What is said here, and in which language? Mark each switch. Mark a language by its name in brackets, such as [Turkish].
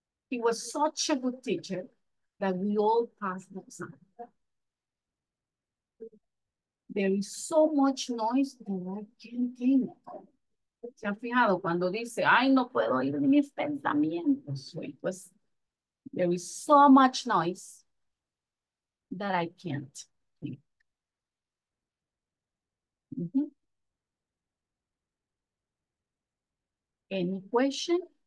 [English] He was such a good teacher that we all passed the exam. There is so much noise that I can't think of. [Spanish] ¿Se han fijado cuando dice, ay, no puedo oír mis pensamientos? [English] Pues, there is so much noise that I can't think. Any question?